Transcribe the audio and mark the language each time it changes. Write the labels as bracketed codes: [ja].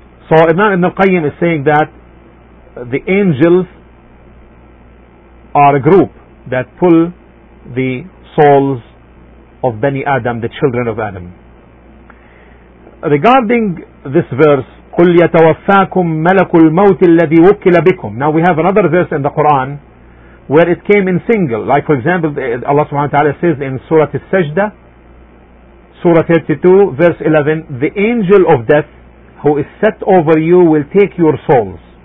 [en] So Imam Ibn Qayyim is saying that the angels are a group that pull the souls of Bani Adam, the children of Adam. Regarding this verse, [ar] قُلْ يَتَوَفَّاكُمْ مَلَكُ الْمَوْتِ الَّذِي وُكِّلَ بِكُمْ. [en] Now we have another verse in the Quran where it came in single. Like for example, Allah subhanahu wa ta'ala says in Surah Al-Sajda, Surah 32, verse 11, the angel of death who is set over you will take your souls.